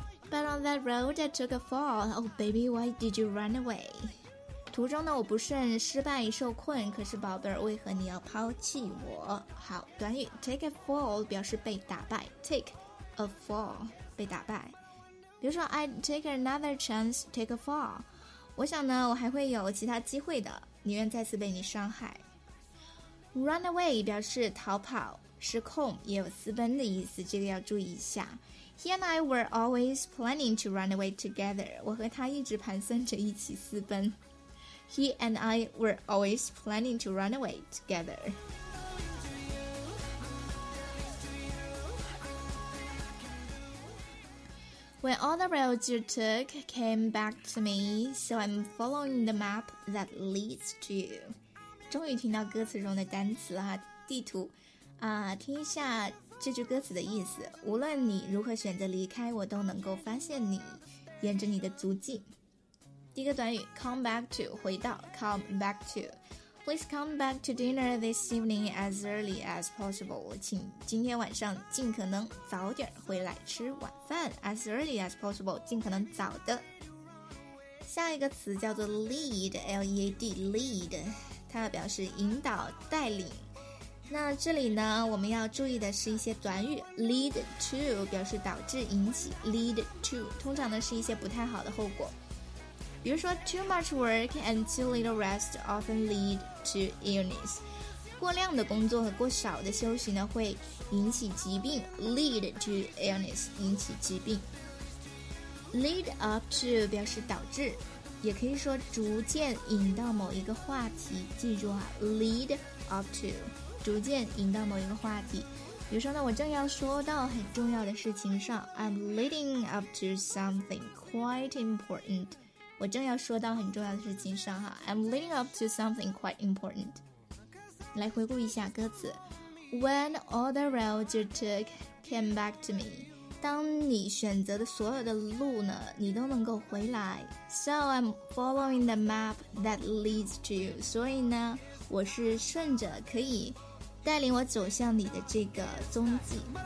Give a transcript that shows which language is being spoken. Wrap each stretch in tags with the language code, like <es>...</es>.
<en>But on that road I took a fall， Oh baby why did you run away？</en> <zh>途中呢我不慎失败受困，可是宝贝儿为何你要抛弃我。好，短语 take a fall 表示被打败， take a fall 被打败。比如说</zh> <en>I take another chance take a fall，</en> <zh>我想呢我还会有其他机会的，宁愿再次被你伤害。 run away 表示逃跑失控，也有私奔的意思，这个要注意一下。</zh> <en>He and I were always planning to run away together，</en> <zh>我和他一直盘算着一起私奔。</zh> <en>He and I were always planning to run away together. 'When all the roads you took came back to me, so I'm following the map that leads to you.'</en> <zh>终于听到歌词中的单词了哈，地图啊，听一下这句歌词的意思。无论你如何选择离开，我都能够发现你，沿着你的足迹。</zh> <en>第一个短语 come back to，</en> <zh>回到</zh> <en>come back to。 Please come back to dinner this evening as early as possible，</en> <zh>请今天晚上尽可能早点回来吃晚饭。</zh> <en>As early as possible，</en> <zh>尽可能早的。下一个词叫做 lead， L-E-A-D， lead， 它表示引导带领。那这里呢我们要注意的是一些短语， lead to 表示导致引起， lead to 通常呢是一些不太好的后果。比如说</zh> <en>too much work and too little rest often lead to illness，</en> <zh>过量的工作和过少的休息呢会引起疾病，</zh> <en>lead to illness，</en> <zh>引起疾病。 lead up to 表示导致，也可以说逐渐引到某一个话题，记住啊， lead up to 逐渐引到某一个话题。比如说呢我正要说到很重要的事情上，</zh> <en>I'm leading up to something quite important，</en> <zh>我正要说到很重要的事情上哈。</zh> <en>I'm leading up to something quite important。来回顾一下歌词， When all the roads you took came back to me，</en> <zh>当你选择的所有的路呢你都能够回来。</zh> <en>So I'm following the map that leads to you，</en> <zh>所以呢我是顺着可以带领我走向你的这个踪迹。</zh>